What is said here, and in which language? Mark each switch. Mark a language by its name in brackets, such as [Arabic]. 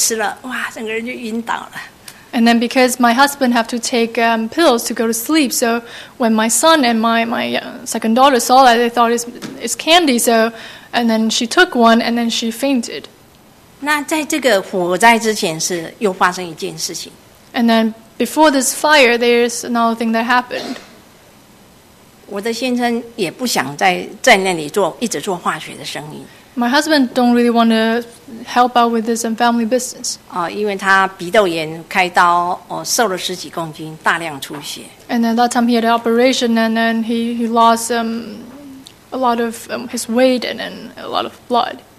[Chinese] 然后我的孩子曾经看到他爸爸每一次都吃一个药可以睡觉，然后他以为是糖果。我的老二也曾经自己拿了一个糖果吃了，哇，整个人就晕倒了。 [English] And then because my husband have to take pills to go to sleep, so when my son and my second daughter saw that, they thought it's candy. So and then she took one and then she fainted. [Chinese] 那在这个火灾之前是又发生一件事情。 [English] And then before this fire, there's another thing that happened. [Chinese] 我的先生也不想在那里做一直做化学的生意。 [English] My husband don't really want to help out with this family business. [Chinese] 因为他鼻窦炎开刀，瘦了十几公斤，大量出血。 [English] And at that time he had an operation, and then he lost a lot of his weight and then a lot of blood.